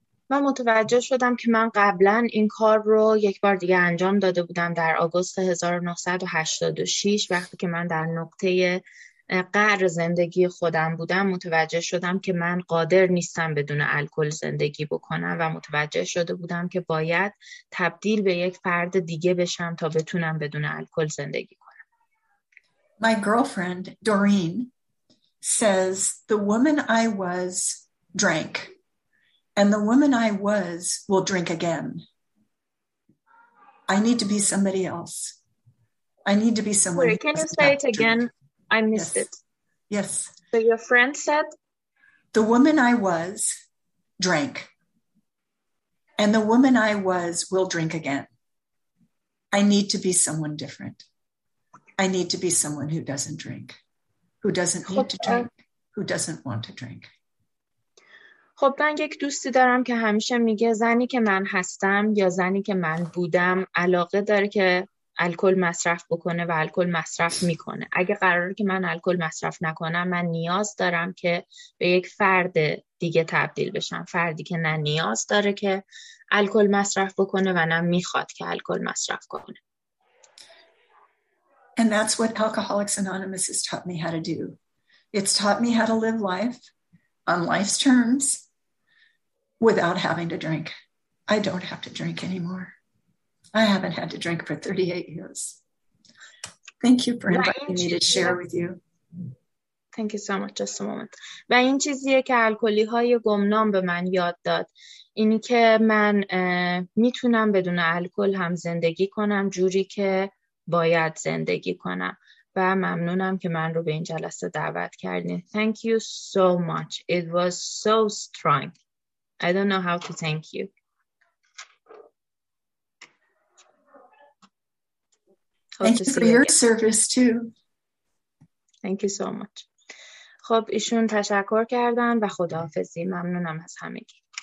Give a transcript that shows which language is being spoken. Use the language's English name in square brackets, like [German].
[Persian] من متوجه شدم که من قبلا این کار رو یک بار دیگه انجام داده بودم در آگوست 1986 وقتی که من در نقطه قعر زندگی خودم بودم. متوجه شدم که من قادر نیستم بدون الکل زندگی بکنم و متوجه شده بودم که باید تبدیل به یک فرد دیگه بشم تا بتونم بدون الکل زندگی کنم. [English] My girlfriend Doreen says the woman I was drank and the woman I was will drink again. I need to be somebody else. I need to be someone. Wait, can you say it again? I missed it. Yes. So your friend said? The woman I was drank and the woman I was will drink again. I need to be someone different. I need to be someone who doesn't drink. Who doesn't need to drink, who doesn't want to drink. [Persian] خب من یک دوستی دارم که همیشه میگه زنی که من هستم یا زنی که من بودم علاقه داره که الکل مصرف بکنه و الکل مصرف میکنه. اگه قراره که من الکل مصرف نکنم، من نیاز دارم که به یک فرد دیگه تبدیل بشم، فردی که نه نیاز داره که الکل مصرف بکنه و نه میخواد که الکل مصرف کنه. [English] And that's what Alcoholics Anonymous has taught me how to do. It's taught me how to live life on life's terms without having to drink. I don't have to drink anymore. I haven't had to drink for 38 years. Thank you for inviting me to share with you. Thank you so much. Just a moment. [Persian] و این چیزیه که الکلی‌های گمنام به من یاد داد. اینی که من میتونم بدون الکل هم زندگی کنم جوری که باید زندگی کنم و ممنونم که من رو به این جلسه دعوت کردین. [English] Thank you so much. It was so strong. I don't know how to thank you. Thank you for your service too. Thank you so much. [Persian] خب ایشون تشکر کردن و خداحافظی. ممنونم از همگی.